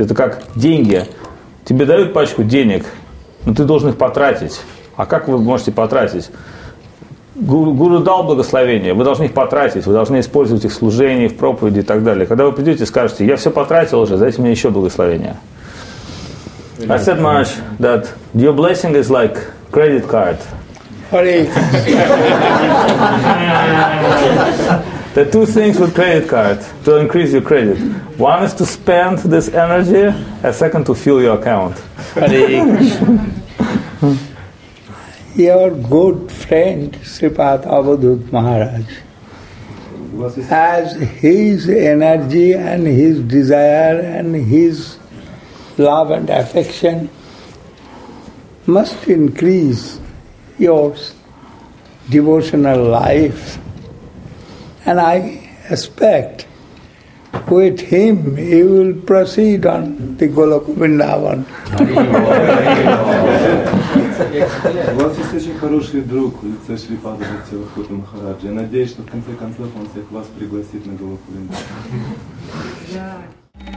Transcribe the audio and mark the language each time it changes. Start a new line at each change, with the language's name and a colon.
Russian: Это как деньги. Тебе дают пачку денег, но ты должен их потратить. А как вы можете потратить? Гуру дал благословение, вы должны их потратить, вы должны использовать их в служении, в проповеди и так далее. Когда вы придете и скажете, я все потратил уже, дайте мне еще благословение.
English: I said, Maharaj, that your blessing is like credit card. The two things with credit card to increase your credit. One is to spend this energy, a second to fill your account. Your good friend, Sripad Avadhut Maharaj, has his energy and his desire and his love and affection must increase your devotional life. And I expect with him you will proceed on the Goloka Vrindavan.
Russian: У вас есть очень хороший друг, лицо Шрипада Бхактивинода Махараджа. Я надеюсь, что в конце концов он всех вас пригласит на Голоку Вриндаван.